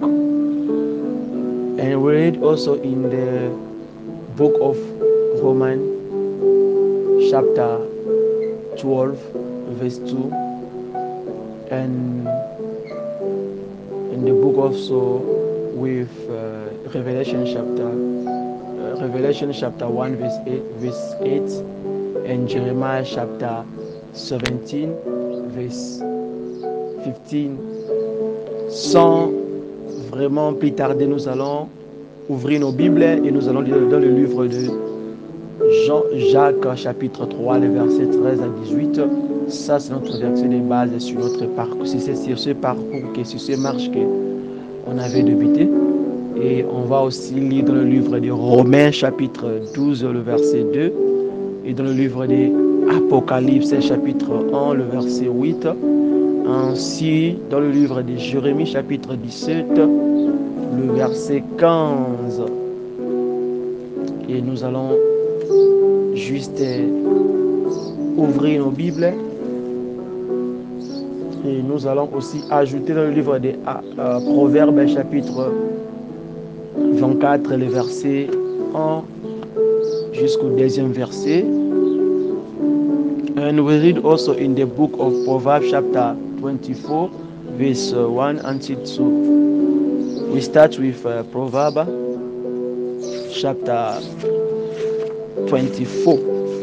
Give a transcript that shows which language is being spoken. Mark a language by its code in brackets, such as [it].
[en] And we read also in the book of Romans chapter 12 verse 2 and in the book also with Revelation chapter 1 verse 8 and Jeremiah chapter 17 verse 15. [fr] Sans vraiment plus tarder, nous allons ouvrir nos Bibles et nous allons lire dans le livre de Jean-Jacques, chapitre 3, les versets 13 à 18. Ça, c'est notre verset de base sur notre parcours. C'est sur ce parcours, que sur ces marches qu'on avait débuté. Et on va aussi lire dans le livre de Romains, chapitre 12, le verset 2. Et dans le livre de Apocalypse, chapitre 1, le verset 8. Ainsi, dans le livre de Jérémie, chapitre 17, le verset 15. Et nous allons juste ouvrir nos Bibles et nous allons aussi ajouter dans le livre des Proverbes chapitre 24 le verset 1 jusqu'au deuxième verset. [en] And we read also in the book of Proverbs chapter 24 verse 1 until 2. We start with Proverbs chapter 24.